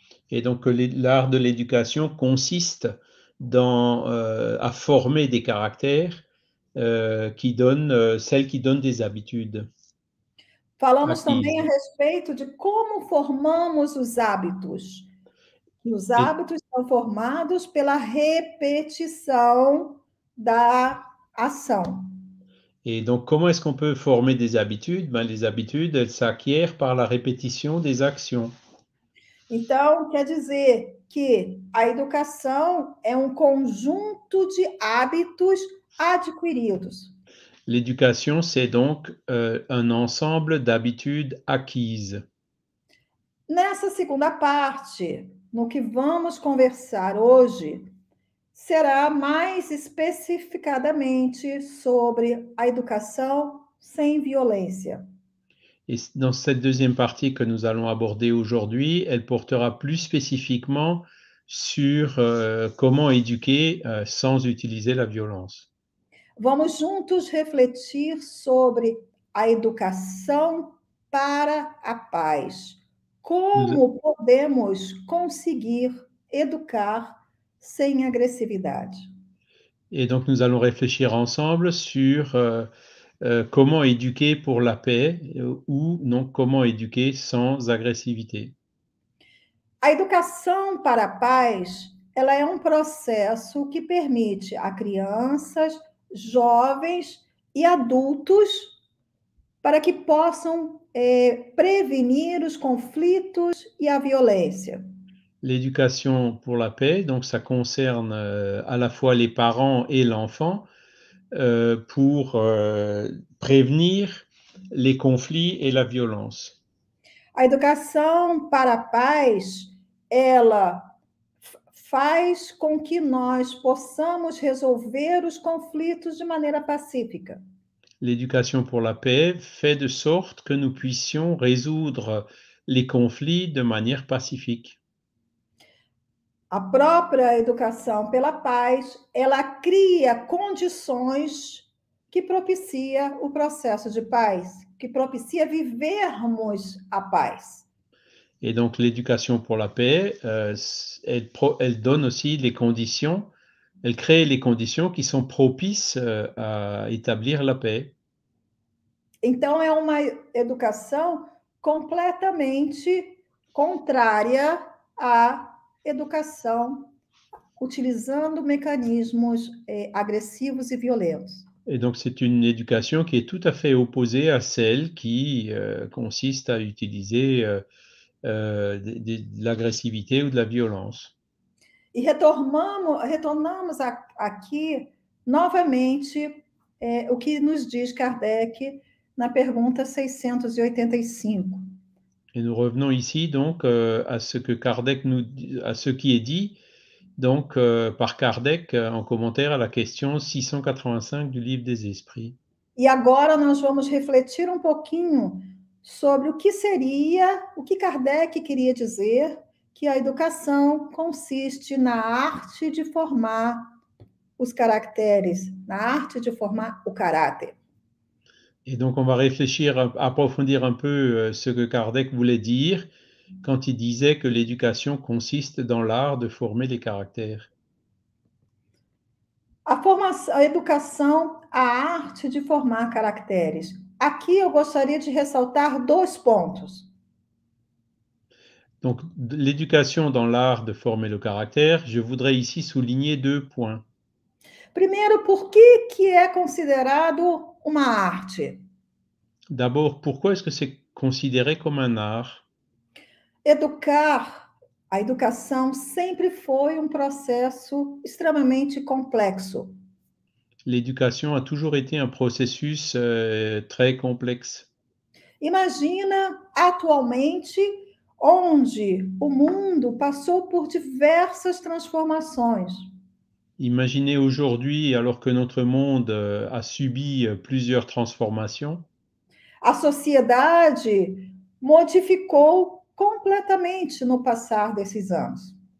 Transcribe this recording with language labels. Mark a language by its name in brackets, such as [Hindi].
[French] Et donc l'art de l'éducation consiste à former des caractères celle qui donne des habitudes. [Portuguese] Falamos também a respeito de como formamos os hábitos. Os hábitos são formados pela repetição da ação. [French] Et donc, comment est-ce qu'on peut former des habitudes? Ben, les habitudes, elles s'acquièrent par la répétition des actions. [Portuguese] Então, quer dizer que a educação é um conjunto de hábitos adquiridos. [French] L'éducation, c'est donc un ensemble d'habitudes acquises. [Portuguese] Nessa segunda parte, no que vamos conversar hoje, será mais especificadamente sobre a educação sem violência. [French] Et dans cette deuxième partie que nous allons aborder aujourd'hui, elle portera plus spécifiquement sur comment éduquer sans utiliser la violence. [Portuguese] Vamos juntos refletir sobre a educação para a paz. Como podemos conseguir educar sem agressividade? [French] Et donc nous allons réfléchir ensemble sur comment éduquer pour la paix ou non comment éduquer sans agressivité. [Portuguese] A educação para a paz, ela é um processo que permite a crianças, jovens e adultos para que possam prevenir os conflitos e a violência. [French] L'éducation pour la paix, donc ça concerne à la fois les parents et l'enfant pour prévenir les conflits et la violence. [Portuguese] A educação para a paz, ela faz com que nós possamos resolver os conflitos de maneira pacífica. [French] L'éducation pour la paix fait de sorte que nous puissions résoudre les conflits de manière pacifique. [Portuguese] A própria educação pela paz, ela cria condições que propicia o processo de paz, que propicia vivermos a paz. [French] Et donc l'éducation pour la paix, elle donne aussi les conditions, elle crée les conditions qui sont propices à établir la paix. [Portuguese] Então é uma educação completamente contrária à educação utilizando mecanismos agressivos e violentos. [French] Et donc c'est une éducation qui est tout à fait opposée à celle qui consiste à utiliser de l'agressivité ou de la violence. [Portuguese] E retornamos aqui novamente o que nos diz Kardec na pergunta 685. [French] Et nous revenons ici donc à ce que Kardec nous à ce qui est dit donc par Kardec en commentaire à la question 685 du livre des Esprits. [Portuguese] E agora nós vamos refletir um pouquinho sobre o que seria, o que Kardec queria dizer, que a educação consiste na arte de formar os caractères, na arte de formar o caráter. [French] Et donc on va réfléchir, approfondir un peu ce que Kardec voulait dire quand il disait que l'éducation consiste dans l'art de former les caractères. [Portuguese] A educação, a arte de formar caracteres. Aqui eu gostaria de ressaltar dois pontos. [French] Donc l'éducation dans l'art de former le caractère, je voudrais ici souligner deux points. [Portuguese] Primeiro, por que é considerado uma arte? [French] D'abord, pourquoi est-ce que c'est considéré comme un art? [Portuguese] Educar, a educação sempre foi um processo extremamente complexo. [French] L'éducation a toujours été un processus très complexe. [Portuguese] Imagina atualmente onde o mundo passou por diversas transformações. [French] Imaginez aujourd'hui, alors que notre monde a subi plusieurs transformations. [Portuguese] A sociedade modificou completamente no passar desses anos.